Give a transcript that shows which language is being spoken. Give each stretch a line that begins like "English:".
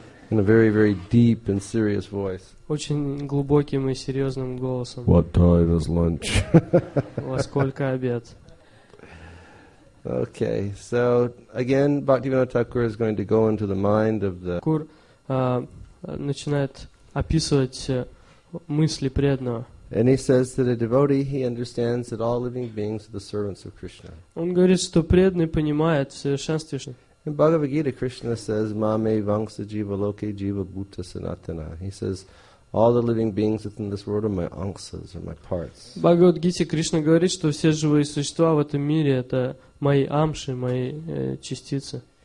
English: In a very, very deep and serious voice.
Russian: Очень глубоким и серьезным голосом.
English: "What time is lunch?"
Russian: Во сколько обед?
English: Okay, so again, Bhaktivinoda Thakur is going to go into the mind of the.
Russian: Начинает описывать мысли преданного.
English: And he says that a devotee, he understands that all living beings are the servants of Krishna.
Russian: Он говорит, что преданный понимает совершенство.
English: In Bhagavad Gita, Krishna says,
Sanskrit: "Mame vangsa jiva loke jiva bhuta sanatana."
English: He says, all the living beings within this world are my angsas, are my parts.
Russian: В Бхагавад Гите Кришна говорит, что все живые существа в этом мире это мои амши, мои частицы.